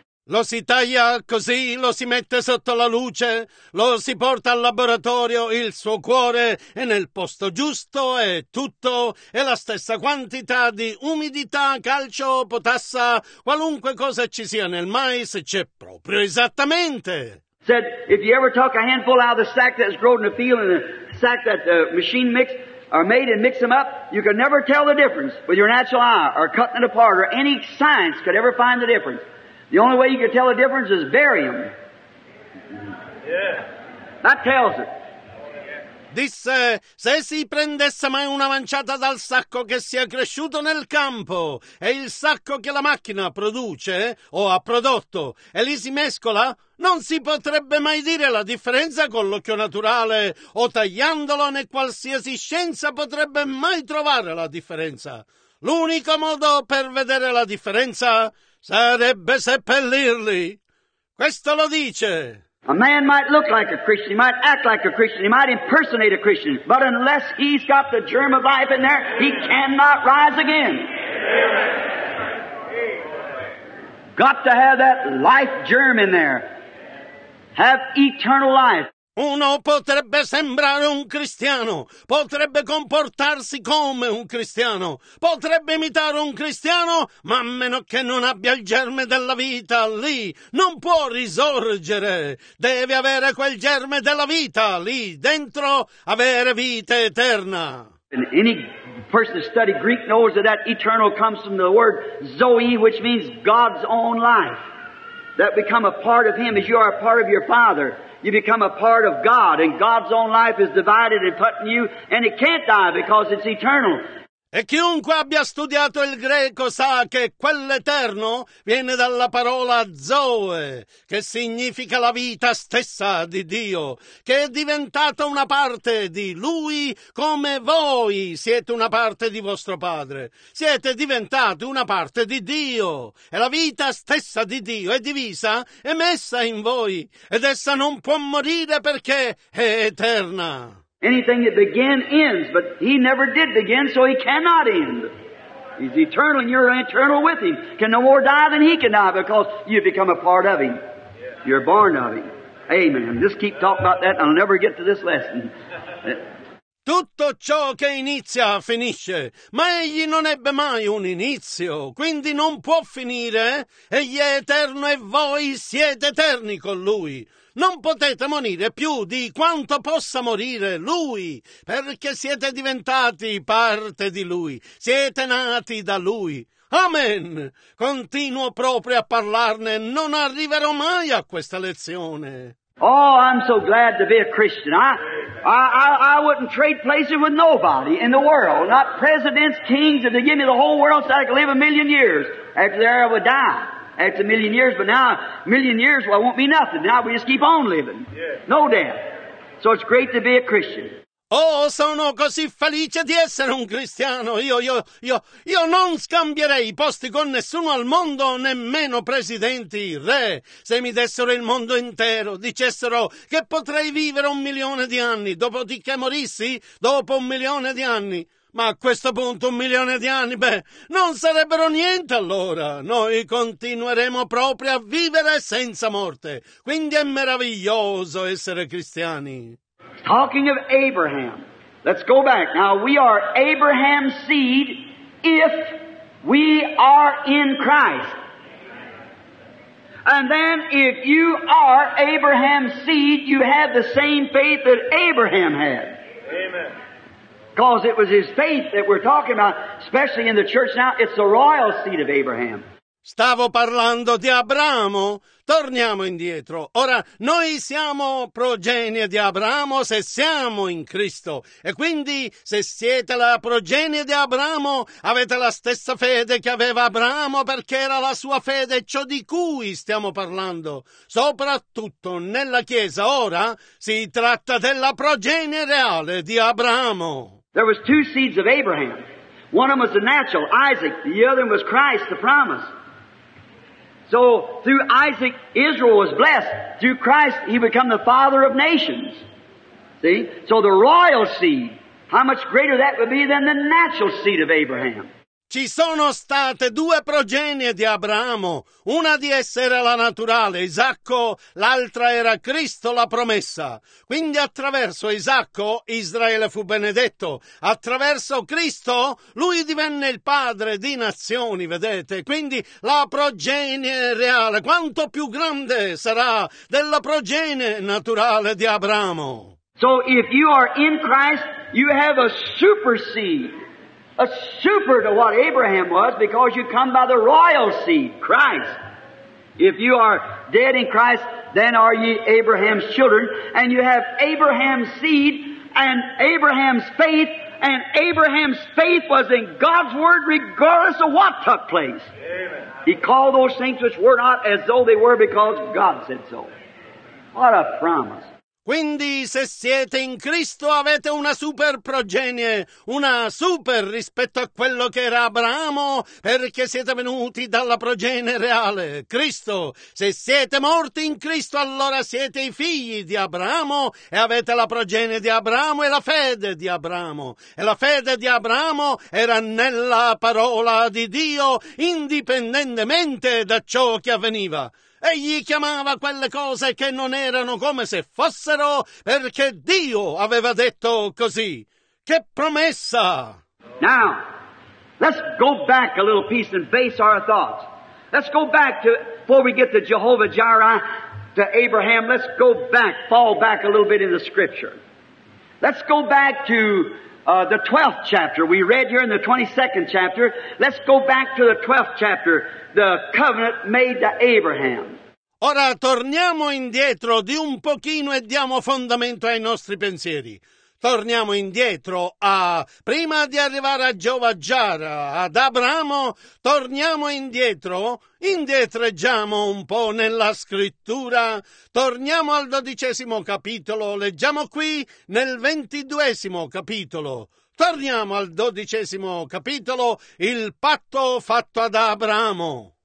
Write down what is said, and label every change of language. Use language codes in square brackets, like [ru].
[it] Lo si taglia così, lo si mette sotto la luce, lo si porta al laboratorio, il suo cuore è nel posto giusto e tutto è la stessa quantità di umidità, calcio, potassa, qualunque cosa ci sia nel mais, c'è proprio esattamente. [en] Said, if you ever took a handful out of the sack that's grown in the field and the sack that the machine mixed or made and mixed them up, you could never tell the difference with your natural eye or cutting it apart or any science could ever find the difference. The only way you can tell the difference is barium. Yeah. That tells it. [it] Disse, se si prendesse mai una manciata dal sacco che sia cresciuto nel campo e il sacco che la macchina produce o ha prodotto e li si mescola, non si potrebbe mai dire la differenza con l'occhio naturale o tagliandolo, né qualsiasi scienza potrebbe mai trovare la differenza. L'unico modo per vedere la differenza sarebbe seppellirli. Questo lo dice. [en] A man might look like a Christian, he might act like a Christian, he might impersonate a Christian, but unless he's got the germ of life in there, he cannot rise again. Got to have that life germ in there. Have eternal life. [it] Uno potrebbe sembrare un cristiano, potrebbe comportarsi come un cristiano, potrebbe imitare un cristiano, ma a meno che non abbia il germe della vita lì, non può risorgere. Deve avere quel germe della vita lì dentro, avere vita eterna. [en] And any person who studied Greek knows that eternal comes from the word zoe, which means God's own life. That become a part of him as you are a part of your father. You become a part of God, and God's own life is divided and put in you, and it can't die because it's eternal. [it] E chiunque abbia studiato il greco sa che quell'eterno viene dalla parola Zoe, che significa la vita stessa di Dio, che è diventata una parte di Lui come voi siete una parte di vostro Padre. Siete diventati una parte di Dio e la vita stessa di Dio è divisa e messa in voi ed essa non può morire perché è eterna. [en] Anything that began ends, but he never did begin, so he cannot end. He's eternal, and you're eternal with Him. Can no more die than He can die, because you become a part of Him. You're born of Him. Amen. Just keep talking about that, and I'll never get to this lesson. [it] Tutto ciò che inizia finisce, ma egli non ebbe mai un inizio, quindi non può finire. Egli è eterno e voi siete eterni con lui. Non potete morire più di quanto possa morire lui, perché siete diventati parte di lui, siete nati da lui. Amen! Continuo proprio a parlarne, non arriverò mai a questa lezione. [en] Oh, I'm so glad to be a Christian. I wouldn't trade places with nobody in the world. Not presidents, kings, if they give me the whole world so I could live 1,000,000 years. After there I would die. After 1,000,000 years, but now 1,000,000 years, well, it won't be nothing. Now we just keep on living. No doubt. So it's great to be a Christian. [it] Oh, sono così felice di essere un cristiano. Io non scambierei i posti con nessuno al mondo, nemmeno presidenti, re. Se mi dessero il mondo intero, dicessero che potrei vivere 1,000,000 di anni, dopodiché morissi dopo 1,000,000 di anni. Ma a questo punto 1,000,000 di anni, beh, non sarebbero niente allora. Noi continueremo proprio a vivere senza morte. Quindi è meraviglioso essere cristiani. [en] Talking of Abraham, let's go back. Now, we are Abraham's seed if we are in Christ. And then, if you are Abraham's seed, you have the same faith that Abraham had. Amen. Because it was his faith that we're talking about, especially in the church now, it's the royal seed of Abraham. [it] Stavo parlando di Abramo. Torniamo indietro. Ora, noi siamo progenie di Abramo se siamo in Cristo. E quindi, se siete la progenie di Abramo, avete la stessa fede che aveva Abramo, perché era la sua fede ciò di cui stiamo parlando. Soprattutto nella Chiesa, ora, si tratta della progenie reale di Abramo. [en] There was two seeds of Abraham. One of them was the natural, Isaac. The other was Christ, the promise. So, through Isaac, Israel was blessed. Through Christ, he became the father of nations. See? So the royal seed, how much greater that would be than the natural seed of Abraham. [it] Ci sono state due progenie di Abramo. Una di esse era la naturale, Isacco, l'altra era Cristo, la promessa. Quindi attraverso Isacco, Israele fu benedetto. Attraverso Cristo, lui divenne il padre di nazioni, vedete? Quindi la progenie reale, quanto più grande sarà della progenie naturale di Abramo? [en] So if you are in Christ, you have a super seed. A super to what Abraham was, because you come by the royal seed, Christ. If you are dead in Christ, then are ye Abraham's children, and you have Abraham's seed and Abraham's faith, and Abraham's faith was in God's word regardless of what took place. Amen. He called those things which were not as though they were, because God said so. What a promise. [it] Quindi, se siete in Cristo, avete una super progenie, una super rispetto a quello che era Abramo, perché siete venuti dalla progenie reale, Cristo. Se siete morti in Cristo, allora siete i figli di Abramo e avete la progenie di Abramo e la fede di Abramo. E la fede di Abramo era nella parola di Dio, indipendentemente da ciò che avveniva. Egli chiamava quelle cose che non erano come se fossero, perché Dio aveva detto così. Che promessa! [en] Now, let's go back a little piece and base our thoughts. Let's go back to, before we get to Jehovah Jireh, to Abraham, let's go back, fall back a little bit in the scripture. Let's go back to the 12th chapter. We read here in the 22nd chapter. Let's go back to the 12th chapter. The covenant made to Abraham. [it] Ora torniamo indietro di un pochino e diamo fondamento ai nostri pensieri. Torniamo indietro a, prima di arrivare a Jehovah Jireh, ad Abramo, torniamo indietro, indietreggiamo un po' nella scrittura, torniamo al 12° capitolo, leggiamo qui nel 22° capitolo, torniamo al 12° capitolo, il patto fatto ad Abramo.